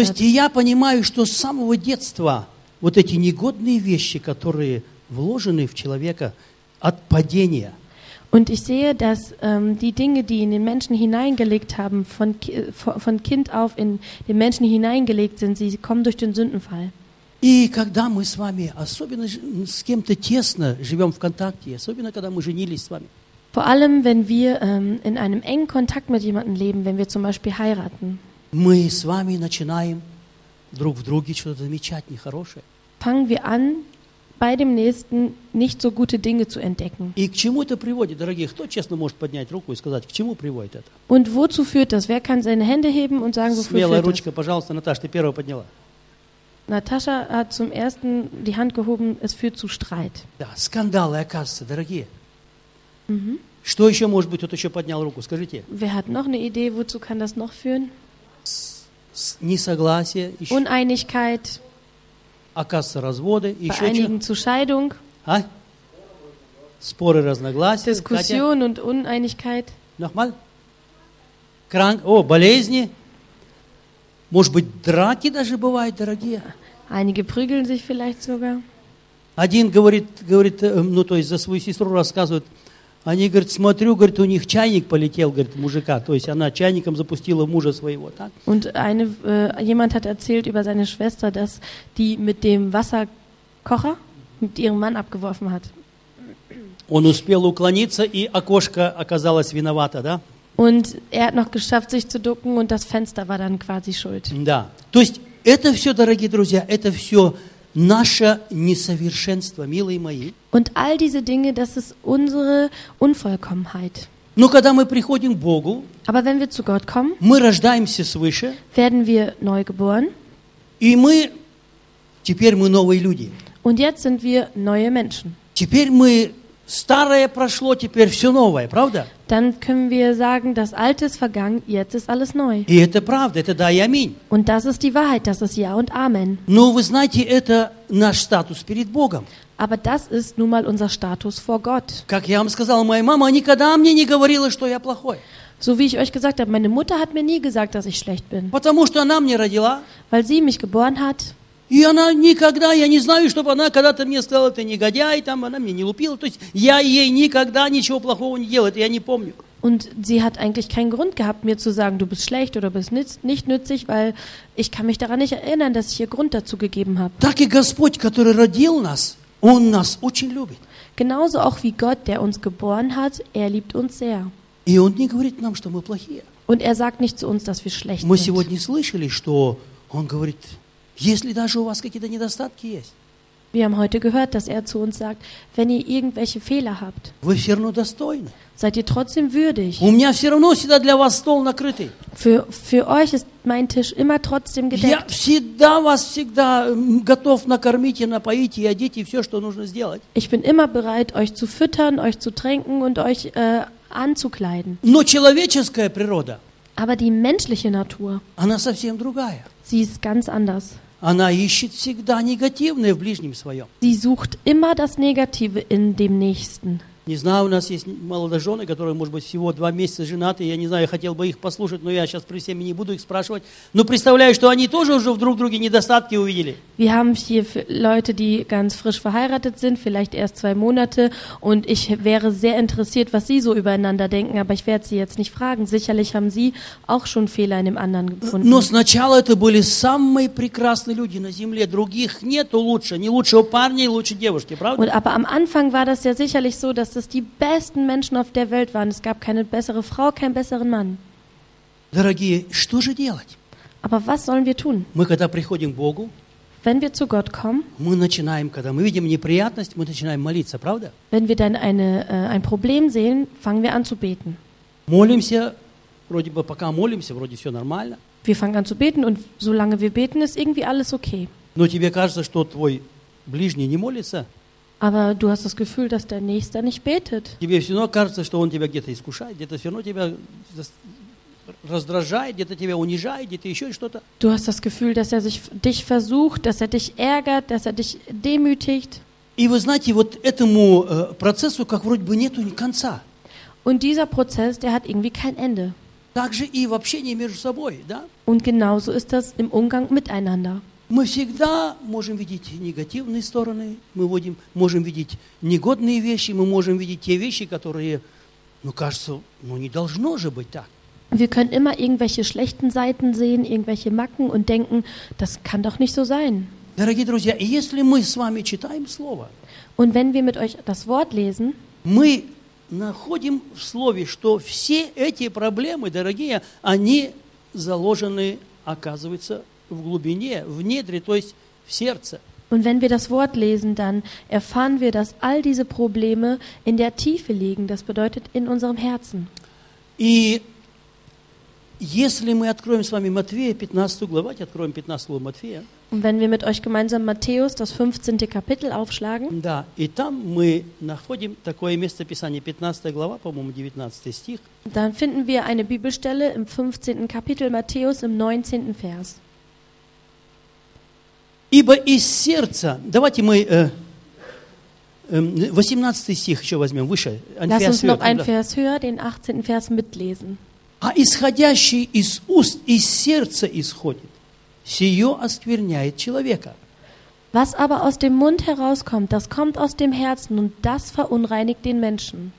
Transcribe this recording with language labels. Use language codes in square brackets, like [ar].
[ru] То есть я понимаю, что с самого детства вот эти негодные вещи, которые вложены в человека от падения. [de] Und ich sehe, dass die Dinge, die in den Menschen hineingelegt haben, von Kind auf in den Menschen hineingelegt sind, sie kommen durch den Sündenfall. [ru] И когда мы с вами особенно с кем-то тесно живем в контакте, особенно когда мы женились с вами. [de] Vor allem, wenn wir in einem engen Kontakt mit jemandem leben, wenn wir zum Beispiel heiraten. [ru] Мы с вами начинаем друг в друге что-то замечать нехорошее. [de] Fangen wir an, bei dem Nächsten nicht so gute Dinge zu entdecken. [ru] И к чему это приводит, дорогие? Кто честно может поднять руку и сказать, к чему приводит это? [de] Und wozu führt das? Wer kann seine Hände heben und sagen, wofür führt das? [ru] Смелая ручка, пожалуйста, Наташа, ты первая подняла. [de] Наташа hat zum Ersten die Hand gehoben, es führt zu Streit. [ru] Да, скандалы, оказывается, дорогие. Что еще может быть, кто еще поднял руку, скажите? [de] Wer hat noch eine Idee, wozu kann das noch führen? [ru] Несогласие. [de] Uneinigkeit. [ru] Оказывается, разводы. Еще [de] einigen zu Scheidung. [ru] А? Споры, разногласия. [de] Diskussion und Uneinigkeit. Nochmal. Krank. [ru] О, болезни. Может быть, драки даже бывают, дорогие. [de] Einige prügeln sich vielleicht sogar. [ru] Один говорит, ну то есть за свою сестру рассказывает. Они, говорит, смотрю, говорит, у них чайник полетел, говорит, мужика. То есть она чайником запустила мужа своего, так? [de] Und eine, jemand hat erzählt über seine Schwester, dass die mit dem Wasserkocher mit ihrem Mann abgeworfen hat. [ru] Он успел уклониться, и окошко оказалось виновато, да? [de] Und er hat noch geschafft, sich zu ducken, und das Fenster war dann quasi schuld. [ru] Да. То есть это все, дорогие друзья, это все наше несовершенство, милые мои. [de] Und all diese Dinge, das ist unsere Unvollkommenheit. [ru] Но когда мы приходим к Богу, [de] aber wenn wir zu Gott kommen, [ru] мы рождаемся свыше, [de] werden wir neu geboren. [ru] И мы, теперь мы новые люди. [de] Und jetzt sind wir neue Menschen. [ru] Теперь мы, старое прошло, теперь все новое, правда? [de] Dann können wir sagen, das Alte ist vergangen, jetzt ist alles neu. [ru] И это правда, это да и аминь. [de] Und das ist die Wahrheit, das ist ja und amen. [ru] Но вы знаете, это наш статус перед Богом. [de] Aber das ist nun mal unser Status vor Gott. [ru] Как я вам сказал, моя мама никогда мне не говорила, что я плохой. [de] So wie ich euch gesagt habe, meine Mutter hat mir nie gesagt, dass ich schlecht bin. [ru] Потому что она мне родила. [de] Weil sie mich geboren hat. [ru] И она никогда, я не знаю, чтобы она когда-то мне сказала, ты негодяй, там она мне не лупила. То есть я ей никогда ничего плохого не делал, это я не помню. [de] Und sie hat eigentlich keinen Grund gehabt, mir zu sagen, du bist schlecht oder bist nicht nützlich, weil ich kann mich daran nicht erinnern, dass ich ihr Grund dazu gegeben habe. [ru] Так и Господь, который родил нас, Он нас очень любит. [de] Genauso auch wie Gott, der uns geboren hat, er liebt uns sehr. [ru] И Он не говорит нам, что мы плохие. [de] Und er sagt nicht zu uns, dass wir schlecht [ru] мы [de] sind. [ru] Мы сегодня слышали, что Он говорит... Если даже у вас какие-то недостатки есть. [de] Wir haben heute gehört, dass er zu uns sagt, wenn ihr irgendwelche Fehler habt. [ru] Вы все равно достойны. [de] Seid ihr trotzdem würdig. [ru] У меня все равно всегда для вас стол накрытый. [de] Für euch ist mein Tisch immer trotzdem gedeckt. [ru] Я всегда вас всегда готов накормить и напоить и одеть и все, что нужно сделать. [de] Ich bin immer bereit, euch zu füttern, euch zu tränken und euch anzukleiden. [ru] Но человеческая природа. [de] Aber die menschliche Natur. [ru] Она совсем другая. [de] Sie ist ganz anders. [ru] Она ищет всегда негативное в ближнем своем. [de] Sie sucht immer das Negative in dem Nächsten. [ru] Не знаю, у нас есть молодожены, которые, может быть, всего два месяца женаты. Я не знаю, я хотел бы их послушать, но я сейчас при всеми не буду их спрашивать. Но представляю, что они тоже уже вдруг другие недостатки увидели. [de] Wir haben hier Leute, die ganz frisch verheiratet sind, vielleicht erst zwei Monate. Und ich wäre sehr interessiert, was sie so übereinander denken. Aber ich werde sie jetzt nicht fragen. Sicherlich haben sie auch schon Fehler in dem anderen gefunden. [ru] Но сначала это были самые прекрасные люди на земле. Других нету лучше. Не лучшего парня, лучше девушки, правда? [de] Und, aber am Anfang war das ja sicherlich so, dass es die besten Menschen auf der Welt waren. Es gab keine bessere Frau, keinen besseren Mann. [ru] Дорогие, что же делать? [de] Aber was sollen wir tun? [ru] Мы когда приходим к Богу, [de] wenn wir zu Gott kommen, [ru] мы начинаем, когда мы видим неприятность, мы начинаем молиться, правда? [de] Wenn wir dann ein Problem sehen, fangen wir an zu beten. [ru] Молимся, вроде бы пока молимся, вроде все нормально. [de] Wir fangen an zu beten und solange wir beten, ist irgendwie alles okay. [ru] Но тебе кажется, что твой ближний не молится? [de] Aber du hast das Gefühl, dass dein Nächster nicht betet. [ru] Тебе все равно кажется, что он тебя где-то искушает, где-то все равно тебя раздражает, где-то тебя унижает, где-то еще что-то. [de] Du hast das Gefühl, dass dich versucht, dass dich ärgert, dass dich demütigt. [ru] И вы знаете, вот этому процессу как вроде бы нету конца. [de] Und dieser Prozess, der hat irgendwie kein Ende. [ru] Так же и в общении между собой, да? [de] Und genauso ist das im Umgang miteinander. [ru] Мы всегда можем видеть негативные стороны, мы можем видеть негодные вещи, мы можем видеть те вещи, которые, ну, кажется, ну, не должно же быть так. [de] Wir können immer irgendwelche schlechten Seiten sehen, irgendwelche Macken und denken, das kann doch nicht so sein. [ru] Дорогие друзья, если мы с вами читаем Слово, [de] und wenn wir mit euch das Wort lesen, [ru] мы находим в Слове, что все эти проблемы, дорогие, они заложены, оказывается, в глубине, в недре, то есть в сердце. [de] Und wenn wir das Wort lesen, dann erfahren wir, dass all diese Probleme in der Tiefe liegen, das bedeutet in unserem Herzen. [ru] И если мы откроем с вами Матфея, 15 главу, давайте откроем 15 главу Матфея. [de] Und wenn wir mit euch gemeinsam Matthäus, das 15. Kapitel, aufschlagen. [ru] Да, и там мы находим такое местописание, 15 глава, по-моему, 19 стих. [de] Dann finden wir eine Bibelstelle im 15. Kapitel Matthäus im 19. Vers. [ru] Ибо из сердца, давайте мы 18 стих еще возьмем, выше. [de] Lass uns noch einen Vers höher, den 18. Vers mitlesen. [ru] А исходящий из уст, из сердца исходит, сие оскверняет человека. [de] Was aber aus dem Mund herauskommt, das kommt aus dem Herzen und das verunreinigt den Menschen.